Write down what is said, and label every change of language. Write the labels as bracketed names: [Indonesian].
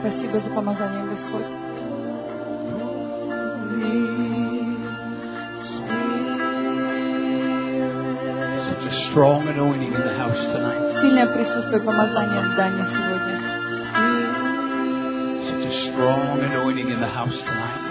[English] Such a strong anointing in the house tonight. [Russian] Сильное присутствие помазания в здании сегодня. [English] Such a strong anointing in the house tonight.